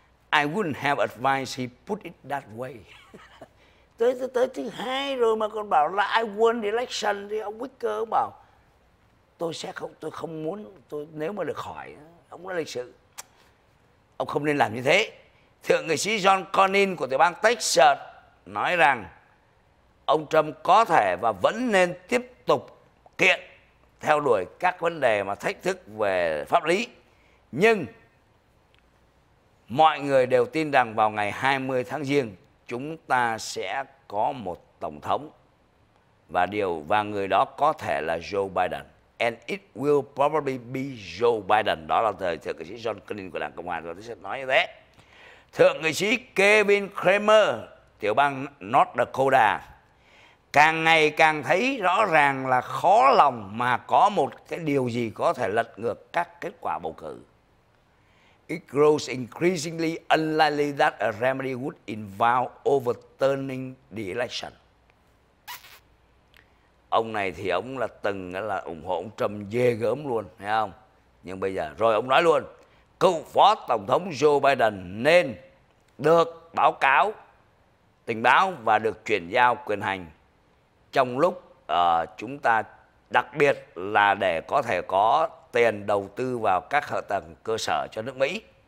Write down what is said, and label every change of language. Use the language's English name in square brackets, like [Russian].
[English] I wouldn't have advised he put it that way. [Vietnamese] tới thứ hai rồi mà còn bảo là [English] I won the election, [Vietnamese] thì ông Wicker bảo tôi không muốn nếu mà được khỏi, ông nói lịch sự, ông không nên làm như thế. Thượng nghị sĩ John Cornyn của tiểu bang Texas nói rằng ông Trump có thể và vẫn nên tiếp tục kiện theo đuổi các vấn đề mà thách thức về pháp lý, nhưng mọi người đều tin rằng vào ngày 20 tháng Giêng chúng ta sẽ có một tổng thống, và người đó có thể là Joe Biden. [English] And it will probably be Joe Biden. [Vietnamese] Đó là thời thượng nghị sĩ John Cornyn của Đảng Cộng hòa rồi, tôi sẽ nói như thế. Thượng nghị sĩ Kevin Cramer, tiểu bang North Dakota, càng ngày càng thấy rõ ràng là khó lòng mà có một cái điều gì có thể lật ngược các kết quả bầu cử. [English] It grows increasingly unlikely that a remedy would involve overturning the election. [Vietnamese] Ông này thì ông là từng là ủng hộ ông Trump ghê gớm luôn, thấy không? Nhưng bây giờ, rồi ông nói luôn, cựu phó tổng thống Joe Biden nên được báo cáo, tình báo và được chuyển giao quyền hành trong lúc chúng ta, đặc biệt là để có thể có tiền đầu tư vào các hạ tầng cơ sở cho nước Mỹ.